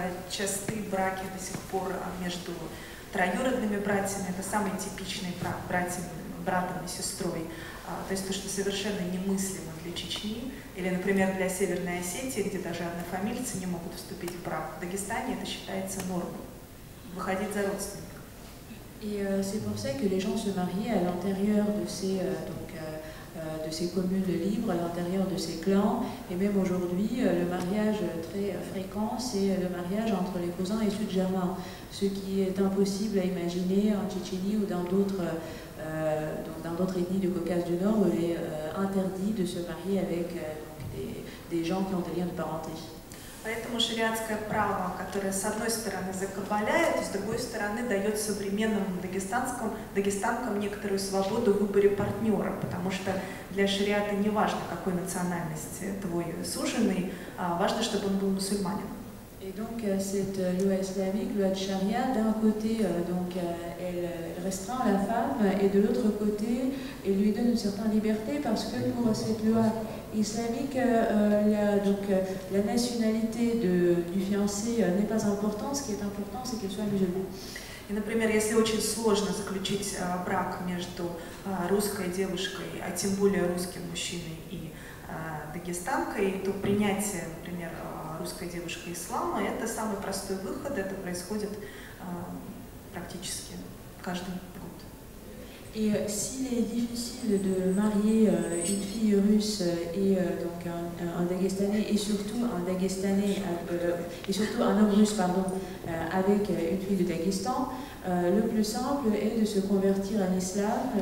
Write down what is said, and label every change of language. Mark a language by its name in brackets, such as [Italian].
[Russian] Частые браки до сих пор между троюродными братьями, это самый типичный брак, братом и сестрой. То есть то, что совершенно немыслимо для Чечни, или, например, для Северной Осетии, где даже однофамильцы не могут вступить в брак. В Дагестане это считается нормой, выходить за родственников. [French] И c'est pour ça que les gens se mariaient à l'intérieur de ces... de ces communes libres, à l'intérieur de ces clans, et même aujourd'hui, le mariage très fréquent, c'est le mariage entre les cousins et ceux de germains, ce qui est impossible à imaginer en Tchétchénie ou dans d'autres ethnies du Caucase du Nord, où il est interdit de se marier avec des gens qui ont des liens de parenté. [Russian] Поэтому шариатское право, которое с одной стороны закабаляет, с другой стороны дает современным дагестанкам некоторую свободу в выборе партнера, потому что для шариата не важно, какой национальности твой суженый, а важно, чтобы он был мусульманин. [French] И donc cette loi islamique, loi de charia, d'un côté donc elle restreint la femme et de l'autre côté elle lui donne une certaine liberté parce que pour cette loi islamique, la nationalité du fiancé n'est pas importante, ce qui est important, c'est qu'il soit musulman. [Russian] Et, например, если очень сложно заключить брак между русской девушкой, а тем более русским мужчиной и дагестанкой, то принятие, например, русской девушкой ислама, это самый простой выход, это происходит практически каждый день. [French] Et s'il est difficile de marier une fille russe et donc un Dagestanais et surtout un Dagestanais et surtout un homme russe pardon avec une fille de Dagestan, le plus simple est de se convertir à l'islam.